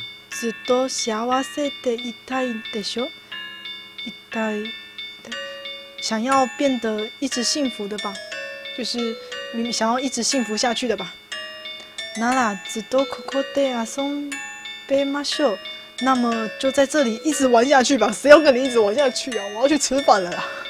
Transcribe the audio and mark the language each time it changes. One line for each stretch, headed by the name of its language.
Japanese: ずっと幸せでいたいんでしょ？いたい。
Chinese: 想要变得一直幸福的吧，就是你想要一直幸福下去的吧。
Japanese: ならずっとここで遊べましょう。
Chinese: 那么就在这里一直玩下去吧。谁要跟你一直玩下去啊？我要去吃饭了啦。